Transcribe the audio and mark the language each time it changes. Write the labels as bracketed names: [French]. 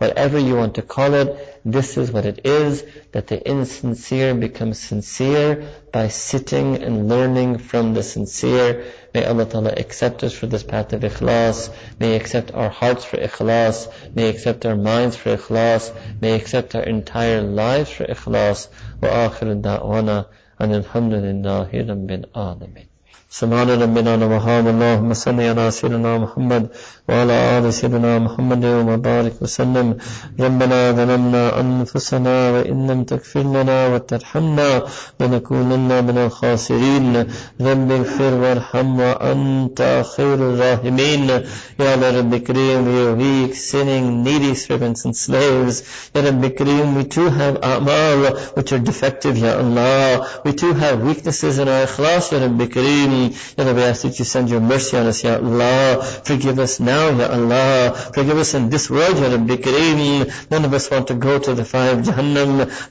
[English] Whatever you want to call it, this is what it is, that the insincere becomes sincere by sitting and learning from the sincere. May Allah Ta'ala accept us for this path of ikhlas. May He accept our hearts for ikhlas. May He accept our minds for ikhlas. May He accept our entire lives for ikhlas. [Arabic] Wa akhiru da'wana an alhamdulillahi rabbil alamin. سمعنا ربنا ومحام اللهم صل على سيدنا محمد وعلى آل سيدنا محمد وبارك وسلم ربنا ظلمنا أنفسنا وإن لم تغفر لنا وترحمنا لنكونن من الخاسرين رب اغفر وارحم وأنت خير الراحمين يا رب كريم [English] we are weak, sinning, needy servants and slaves. [Arabic] يا رب كريم [English] we too have أعمال which are defective [Arabic] يا الله. [English] We too have weaknesses in our إخلاص يا رب كريم. Ya Rabbi, I ask that you send your mercy on us, Ya Allah. Forgive us now, Ya Allah. Forgive us in this world, Ya Rabbi Kareem. None of us want to go to the fire of Jahannam.